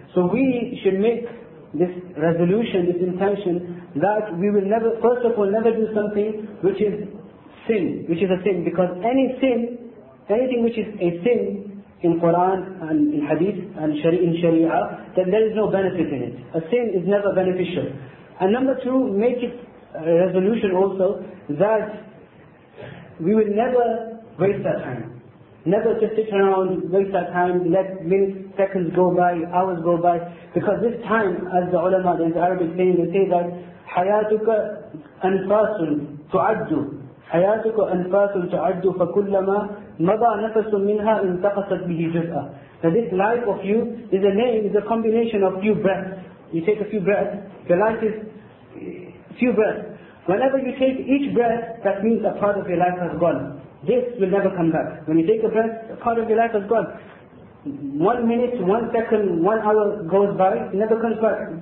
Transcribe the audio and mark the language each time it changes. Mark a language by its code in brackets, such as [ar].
[en] So we should make this resolution, this intention, that we will never, first of all, never do something which is sin, which is a sin, because any sin, anything which is a sin, in Quran and in Hadith and in Sharia, then there is no benefit in it. A sin is never beneficial. And number two, make it a resolution also that we will never waste our time. Never just sit around, waste our time, let minutes, seconds go by, hours go by. Because this time, as the ulama, the Arabic saying, they say that [ar] حَيَاتُكَ أَنْفَاسٌ تُعَدُّ حَيَاتُكَ أَنْفَاسٌ تُعَدُّ فَكُلَّمَا مَضَى نَفَسٌ مِّنْهَا انْتَقَصَتْ بِهِ جُزْءًا. [en] Now this life of you is a name, is a combination of few breaths. You take a few breaths, your life is few breaths. Whenever you take each breath, that means a part of your life has gone. This will never come back. When you take a breath, a part of your life has gone. 1 minute, 1 second, 1 hour goes by, never comes back.